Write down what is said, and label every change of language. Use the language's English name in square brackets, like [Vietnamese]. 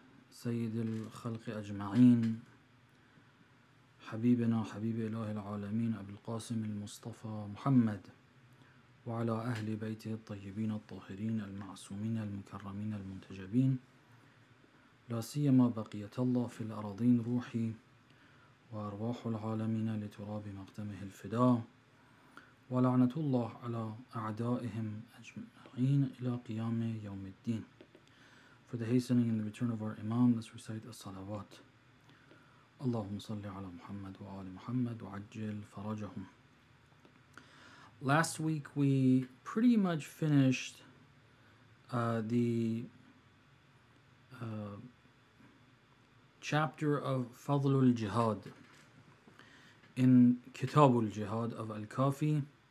[Arabic] سيد الخلق أجمعين، حبيبنا حبيب إله العالمين أبي القاسم المصطفى محمد، وعلى أهل بيته الطيبين الطاهرين المعصومين المكرمين المنتجبين، لا سيما بقية الله في الأراضين روحي وأرواح العالمين لتراب مقدمه الفداء، ولعنة الله على أعدائهم أجمعين إلى قيام يوم الدين. [English] For the hastening and the return of our Imam, let's recite الصلوات. [Arabic] اللهم صل على محمد وآل محمد وعجل فرجهم. [English] Last week, we pretty much finished the chapter of Fadlul Jihad in Kitabul Jihad of Al-Kafi.